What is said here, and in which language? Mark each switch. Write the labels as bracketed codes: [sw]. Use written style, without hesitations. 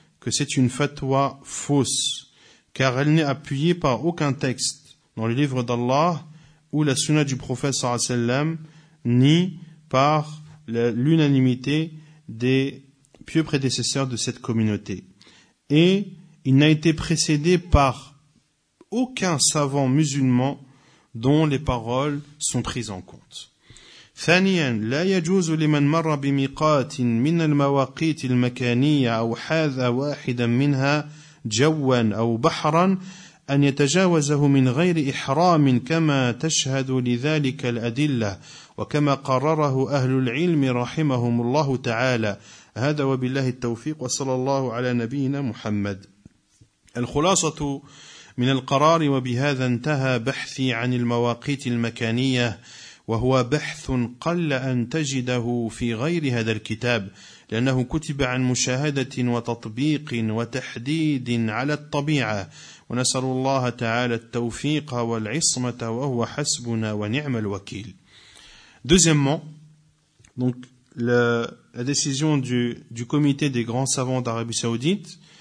[fr] que c'est une fatwa fausse, car elle n'est appuyée par aucun texte dans le livre d'Allah ou la sunna du prophète sallallahu alayhi wa sallam, ni par l'unanimité des pieux prédécesseurs de cette communauté. Et il n'a été précédé par aucun savant musulman dont les paroles sont prises en compte. [ar] ثانيا لا يجوز لمن مر بميقات من المواقيت المكانية أو حاذ واحدا منها جوا أو بحرا أن يتجاوزه من غير إحرام كما تشهد لذلك الأدلة وكما قرره أهل العلم رحمهم الله تعالى هذا وبالله التوفيق وصلى الله على نبينا محمد. الخلاصة من القرار وبهذا انتهى بحثي عن المواقيت المكانية وهو بحث قل أن تجده في غير هذا الكتاب لأنه كتب عن مشاهدة وتطبيق وتحديد على الطبيعة ونسأل الله تعالى التوفيق والعصمة وهو حسبنا ونعم الوكيل. [fr] Deuxièmement, donc la décision du comité des grands savants d'Arabie Saoudite.